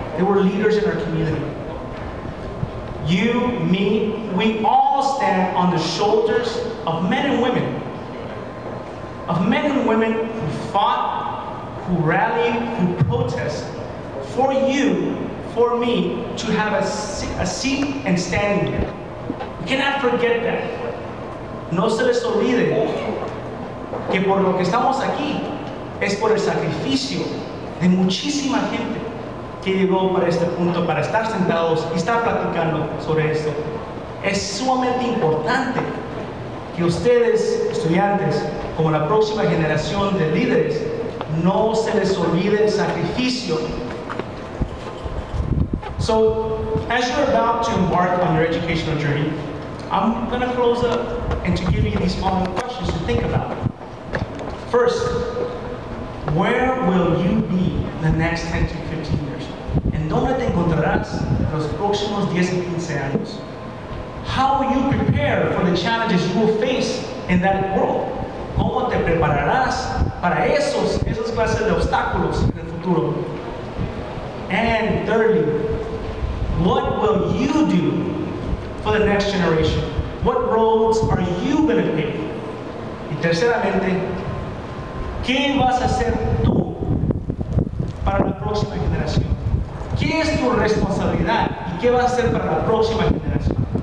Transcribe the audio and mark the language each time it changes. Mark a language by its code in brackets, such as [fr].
[en] They were leaders in our community. You, me, we all stand on the shoulders of men and women. Of men and women who fought, who rallied, who protested for you, for me, to have a seat and standing here. You cannot forget that. [es] No se les olvide que por lo que estamos aquí es por el sacrificio de muchísima gente que llegó para este punto, para estar sentados y estar platicando sobre esto. Es sumamente importante que ustedes, estudiantes, como la próxima generación de líderes, no se les olvide el sacrificio. [en] So, as you're about to embark on your educational journey, I'm gonna close up and to give you these following questions to think about. First, where will you be in the next 10 to 15 years? [es] ¿En dónde te encontrarás en los próximos 10 to 15 años? [en] How will you prepare for the challenges you will face in that world? [es] ¿Cómo te prepararás para esos clases de obstáculos en el futuro? [en] And thirdly, what will you do for the next generation? What roles are you going to take? [es] Y terceramente, ¿qué vas a hacer tú para la próxima generación? ¿Qué es tu responsabilidad y qué vas a hacer para la próxima generación?